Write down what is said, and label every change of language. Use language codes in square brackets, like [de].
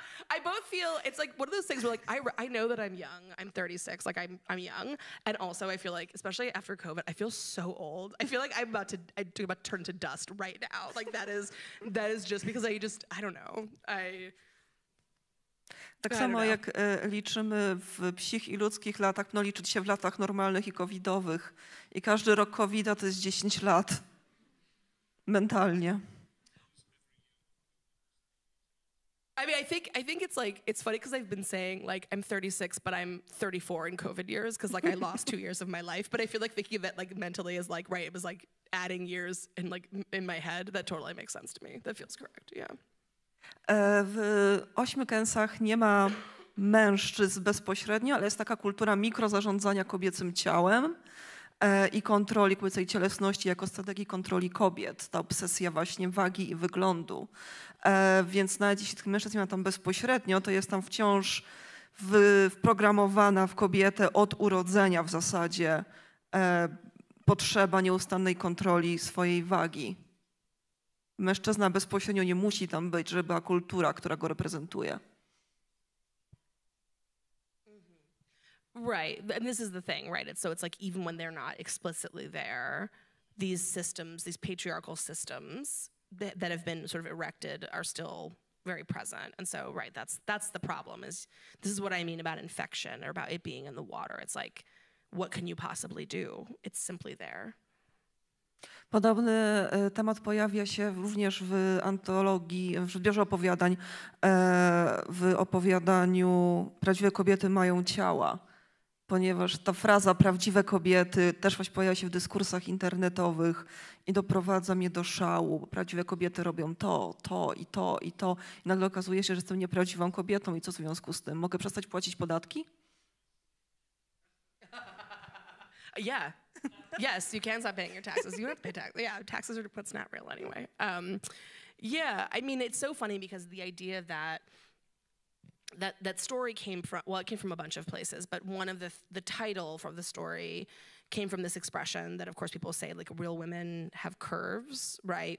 [en] I both feel, it's like one of those things where like, I know that I'm young, I'm 36, like I'm young, and also I feel like, especially after COVID, I feel so old. I feel like I'm about to turn to dust right now. Like that is just because I don't know. [pl] Tak samo jak liczymy w psich i ludzkich latach, no liczyć się w latach normalnych i covidowych. I każdy rok covida to jest 10 lat. Mentalnie. [en] I mean, I think it's like, it's funny because I've been saying like, I'm 36, but I'm 34 in COVID years because like I lost 2 years of my life. But I feel like thinking of it like mentally is like, right, it was like adding years in like in my head. That totally makes sense to me. That feels correct, yeah. [pl] W ośmiu kęsach nie ma mężczyzn bezpośrednio, ale jest taka kultura mikrozarządzania kobiecym ciałem i kontroli kobiecej cielesności jako strategii kontroli kobiet. Ta obsesja właśnie wagi i wyglądu. Więc nawet jeśli tych mężczyzn nie ma tam bezpośrednio, to jest tam wciąż wprogramowana w kobietę od urodzenia w zasadzie potrzeba nieustannej kontroli swojej wagi. mężczyzna bezpośrednio nie musi tam być, żeby była kultura, która go reprezentuje. [en] Right, and this is the thing, right? It's, so it's like even when they're not explicitly there, these systems, these patriarchal systems that, that have been sort of erected are still very present. And so, right, that's the problem. Is this is what I mean about infection or about it being in the water. It's like, what can you possibly do? It's simply there. [pl] Podobny temat pojawia się również w antologii, w zbiorze opowiadań, w opowiadaniu Prawdziwe kobiety mają ciała. Ponieważ ta fraza prawdziwe kobiety też właśnie pojawia się w dyskursach internetowych i doprowadza mnie do szału. Prawdziwe kobiety robią to, to i to i to. I nagle okazuje się, że jestem nieprawdziwą kobietą i co w związku z tym? Mogę przestać płacić podatki? [en] Yeah. Yes, you can stop paying your taxes. You don't have to pay taxes. Yeah, taxes are what's not real anyway. Yeah, I mean, it's so funny because the idea that That story came from, well, it came from a bunch of places, but one of the title from the story came from this expression that, of course, people say, like, real women have curves, right?